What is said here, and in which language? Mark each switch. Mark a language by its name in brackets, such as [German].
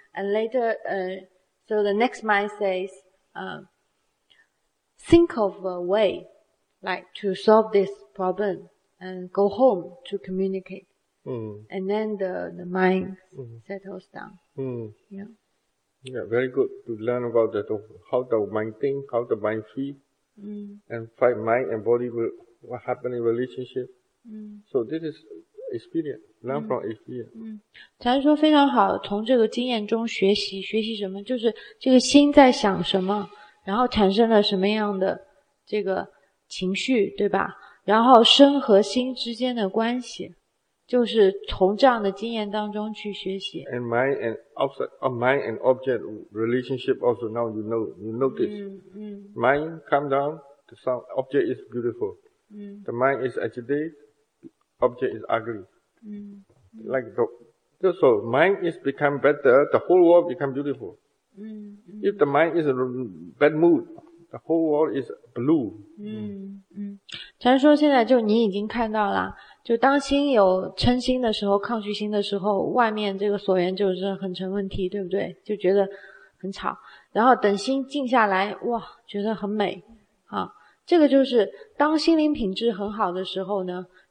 [English] And later, so the next mind says, think of a way, like, to solve this problem, and go home to communicate. Mm. And then the mind settles down. Mm. Yeah. Yeah, very good to learn about that, how the mind think, how the mind feel, and fight mind and body, what happened in relationship. So this is,experience, learn from experience. [Chinese] 禅说非常好，从这个经验中学习，学习什么？就是这个心在想什么，然后产生了什么样的这个情绪，对吧？然后身和心之间的关系，就是从这样的经验当中去学习。 [English] And mind and outside, mind and object relationship also now you know this. Mind calm down, the sound, object is beautiful. The mind is agitated. Object is ugly. Like the, so mind is become better, the whole world become beautiful. If the mind is a bad mood, the whole world is blue. [Chinese] 禅说现在就你已经看到了，就当心有嗔心的时候，抗拒心的时候，外面这个所缘就是很成问题，对不对？就觉得很吵。然后等心静下来，哇，觉得很美。啊，这个就是当心灵品质很好的时候呢。